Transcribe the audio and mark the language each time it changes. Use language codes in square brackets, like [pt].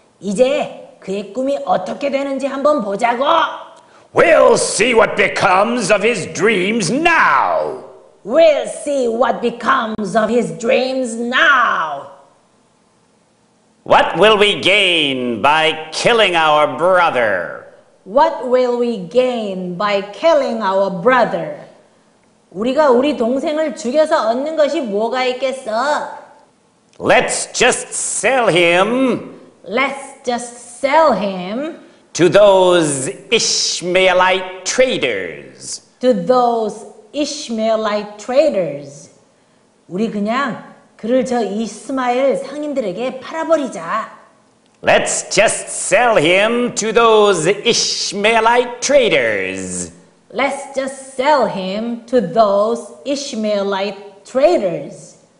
[ko] 이제 그의 꿈이 어떻게 되는지 한번 보자고. [en] We'll see what becomes of his dreams now. We'll see what becomes of his dreams now. What will we gain by killing our brother? What will we gain by killing our brother? [ko] 우리가 우리 동생을 죽여서 얻는 것이 뭐가 있겠어? [en] Let's just sell him. Let's just sell him. To those Ishmaelite traders. To those Ishmaelite traders. [ko] 우리 그냥 그를 저 이스마엘 상인들에게 팔아버리자. [en] Let's just sell him to those Ishmaelite traders. Let's just sell him to those Ishmaelite traders.